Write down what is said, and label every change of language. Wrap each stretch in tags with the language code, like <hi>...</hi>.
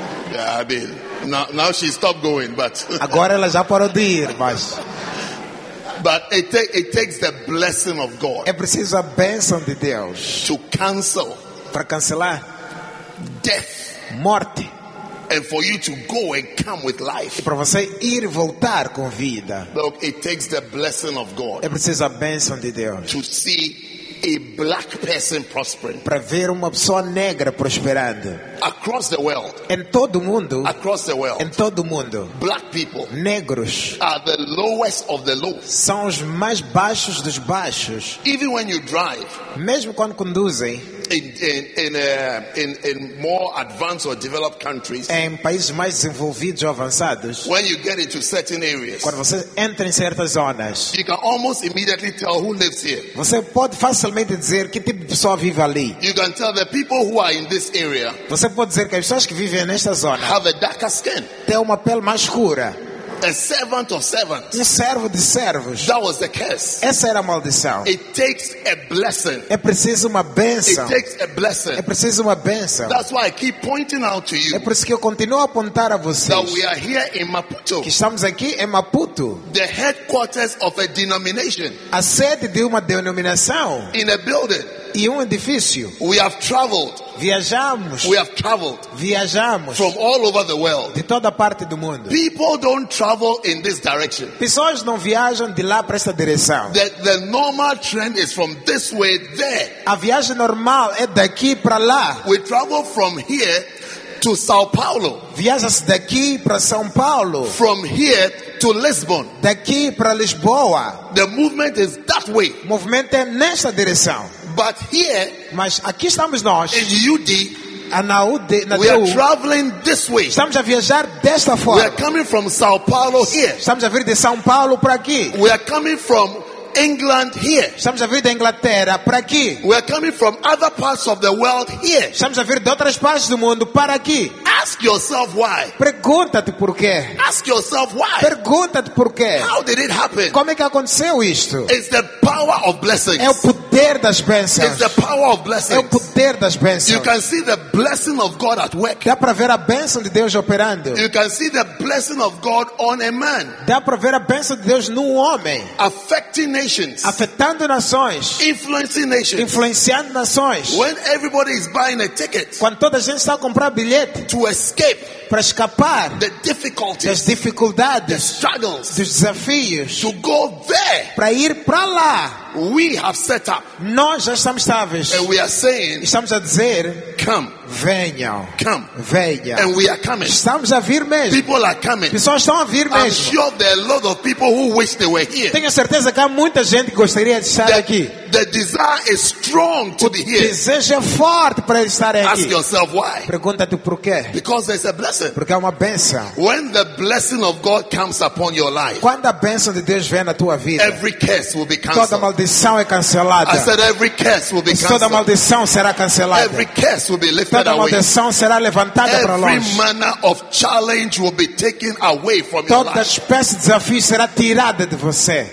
<en>Yeah, I mean, now she stopped going, but.</en> <pt>Agora ela já parou de ir, mas.</pt> <en>But it takes the blessing of God.</en> <pt>É preciso a bênção de Deus.</pt> <en>To cancel.</en> <pt>Para cancelar.</pt> <en>Death.</en> <pt>Morte.</pt> <en>And for you to go and come with life.</en> <pt>E para você ir e voltar com vida.</pt> <en>Look, it takes the blessing of God.</en> <pt>É preciso a bênção de Deus.</pt> <en>To see a black person prospering.</en> <pt>Para ver uma pessoa negra prosperando.</pt> <en>Across the world.</en> <pt>Em todo mundo.</pt> <en>Across the world.</en> <pt>Em todo mundo.</pt> <en>Black people.</en> <pt>Negros.</pt> <en>Are the lowest of the low.</en> <pt>São os mais baixos dos baixos.</pt> <en>Even when you drive.</en> <pt>Mesmo quando conduzem.</pt> <en>In more advanced or developed countries.</en> <pt>Em países mais desenvolvidos ou avançados.</pt> <en>When you get into certain areas.</en> <pt>Quando você entra em certas zonas.</pt> <en>You can almost immediately tell who lives here.</en> <pt>Você pode facilmente dizer que tipo de pessoa vive ali.</pt> <en>You can tell the people who are in this area.</en> <pt>Você pode dizer que as pessoas que vivem nesta zona.</pt> <en>Have a darker skin.</en> <pt>Têm uma pele mais escura.</pt> <en>A servant of servants.</en> <pt>Um servo de servos.</pt> <en>That was the curse.</en> <pt>Essa era a maldição.</pt> <en>It takes a blessing.</en> <pt>É preciso uma bênção.</pt> <en>It takes a blessing.</en> <pt>É preciso uma bênção.</pt> <en>That's why I keep pointing out to you.</en> <pt>É por isso que eu continuo a apontar a vocês.</pt> <en>That we are here in Maputo.</en> <pt>Que estamos aqui em Maputo.</pt> <en>The headquarters of a denomination.</en> <pt>A sede de uma denominação.</pt> <en>In a building.</en> <pt>E edifício.</pt> <en>We have traveled.</en> <pt>Viajamos.</pt> <en>We have traveled.</en> <pt>Viajamos.</pt> <en>From all over the world.</en> <pt>De toda parte do mundo.</pt> <en>People don't travel in this direction.</en> <pt>Pessoas não viajam de lá para esta direção.</pt> <en>The normal trend is from this way there.</en> <pt>A viagem normal é daqui para lá.</pt> <en>We travel from here to São Paulo.</en> <pt>Viaja-se daqui para São Paulo.</pt> <en>From here to Lisbon.</en> <pt>Daqui para Lisboa.</pt> <en>The movement is that way.</en> <pt>O movimento é nesta direção.</pt> <en>But here,</en> <pt>mas aqui estamos nós,</pt> <en>in UD,</en> <pt>na UD, na</pt> <en>we are traveling this way.</en> <pt>Estamos a viajar desta forma.</pt> <en>We are coming from São Paulo here.</en> <pt>Estamos a vir de São Paulo para aqui.</pt> <en>We are coming from England here.</en> <pt>Estamos a vir da Inglaterra para aqui.</pt> <en>We are coming from other parts of the world here.</en> <pt>Estamos a vir de outras partes do mundo para aqui.</pt> <en>As Ask yourself why.</en> <pt>Pergunta-te por quê.</pt> <en>Ask yourself why.</en> <pt>Pergunta-te por quê.</pt> <en>How did it happen?</en> <pt>Como é que aconteceu isto?</pt> <en>It's the power of blessings.</en> <pt>É o poder das bênçãos.</pt> <en>It's the power of blessings.</en> <pt>É o poder das bênçãos.</pt> <en>You can see the blessing of God at work.</en> <pt>Dá para ver a bênção de Deus operando.</pt> <en>You can see the blessing of God on a man.</en> <pt>Dá para ver a bênção de Deus num homem.</pt> <en>Affecting nations.</en> <pt>Afetando nações.</pt> <en>Influencing nations.</en> <pt>Influenciando nações.</pt> <en>When everybody is buying a ticket.</en> <pt>Quando toda a gente está a comprar bilhete.</pt> <en>To escape.</en> <pt>Para escapar.</pt> <en>The difficulties.</en> <pt>Das dificuldades.</pt> <en>The struggles.</en> <pt>Dos desafios.</pt> <en>To go there.</en> <pt>Para ir para lá.</pt> <en>We have set up.</en> <pt>Nós já estamos estáveis.</pt> <en>And we are saying.</en> <pt>Estamos a dizer.</pt> <en>Come.</en> <pt>Venham.</pt> <en>Come.</en> <pt>Venham.</pt> <en>And we are coming.</en> <pt>Estamos a vir mesmo.</pt> <en>People are coming.</en> <pt>Pessoas estão a vir mesmo.</pt> <en>I'm sure there are a lot of people who wish they were here.</en> <pt>Tenho certeza que há muita gente que gostaria de estar aqui.</pt> <en>The desire is strong to be here.</en> <pt>O desejo é forte para estar aqui.</pt> <en>Ask yourself why.</en> <pt>Pergunta-te por quê.</pt> <en>Because there's a blessing.</en> <pt>Porque há uma bênção.</pt> <en>When the blessing of God comes upon your life.</en> <pt>Quando a bênção de Deus vem na tua vida.</pt> <en>Every curse will be canceled.</en> <pt>Toda maldição é cancelada.</pt> <en>I said every curse will be canceled.</en> <pt>Toda maldição será cancelada.</pt> <en>Every curse will be lifted</en> <pt>toda</pt> <en>away.</en> <pt>Toda maldição será levantada</pt> <en>every</en> <pt>para longe.</pt> <en>Every manner of challenge will be taken away from</en> <pt>toda Toda espécie de desafio será tirada de você.</pt>